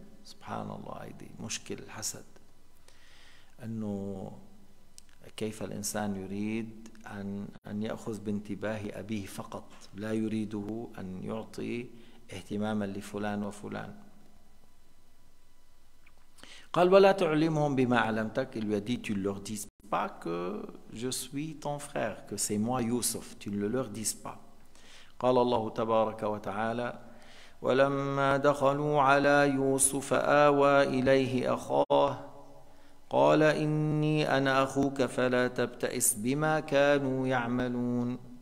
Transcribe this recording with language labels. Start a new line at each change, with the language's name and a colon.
Arabic: سبحان الله، هذه مشكل الحسد، أنه كيف الإنسان يريد أن يأخذ بانتباه أبيه فقط، لا يريده أن يعطي اهتماما لفلان وفلان. قال ولا تعلمهم بما علمتك. الودي تلوغ ديس
French: pas que je suis ton frère, que c'est moi Youssouf. Tu ne le leur dises pas.
Arabic: قال الله تبارك وتعالى ولما دخلوا على يوسف آوى إليه أخاه قال إني أنا أخوك فلا تبتئس بما كانوا يعملون.